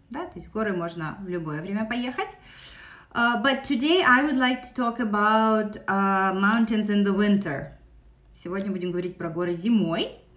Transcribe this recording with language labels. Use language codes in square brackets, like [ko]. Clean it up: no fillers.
[ru] Да, то есть в горы можно в любое время поехать. [en] But today I would like to talk about mountains in the winter. [ru] Сегодня будем говорить про горы зимой.